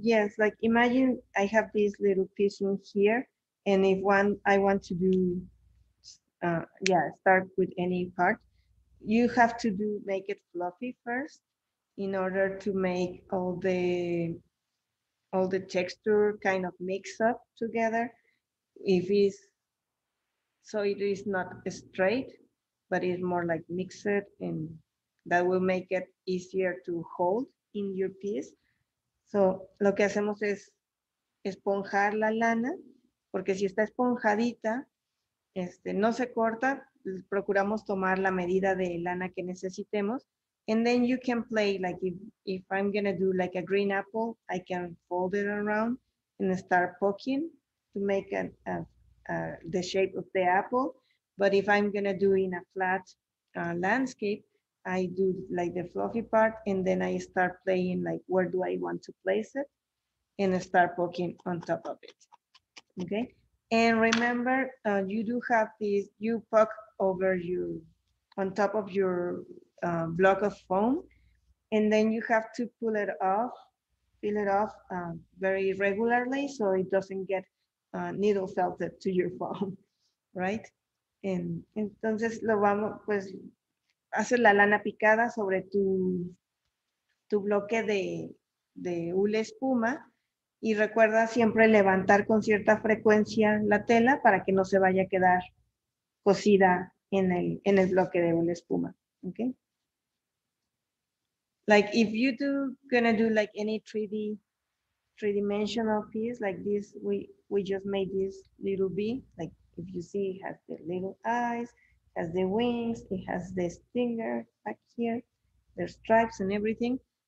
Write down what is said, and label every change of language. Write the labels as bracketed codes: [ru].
[en] Yes, like imagine I have this little piece in here, and if one I want to do, start with any part, you have to do make it fluffy first in order to make all the texture kind of mix up together. If it's, so it is not straight, but it's more like mixed, and that will make it easier to hold in your piece. [es] So lo que hacemos es esponjar la lana, porque si está esponjadita, no se corta. Procuramos tomar la medida de lana que necesitemos. [en] And then you can play, like if I'm gonna do like a green apple, I can fold it around and start poking to make the shape of the apple. But if I'm gonna do in a flat landscape, I do like the fluffy part, and then I start playing like, where do I want to place it, and start poking on top of it. Okay, and remember, you do have these, you poke over your, on top of your block of foam, and then you have to pull it off, peel it off very regularly so it doesn't get needle felted to your foam, right? [es] And entonces lo vamos, pues, hacer la lana picada sobre tu bloque de hule espuma, y recuerda siempre levantar con cierta frecuencia la tela para que no se vaya a quedar cosida en el bloque de hule espuma, okay? [en] Like if you do gonna do like any 3D, three dimensional piece like this, we just made this little bee. Like if you see, it has the little eyes, has the wings, it has the stinger back here, the stripes and everything.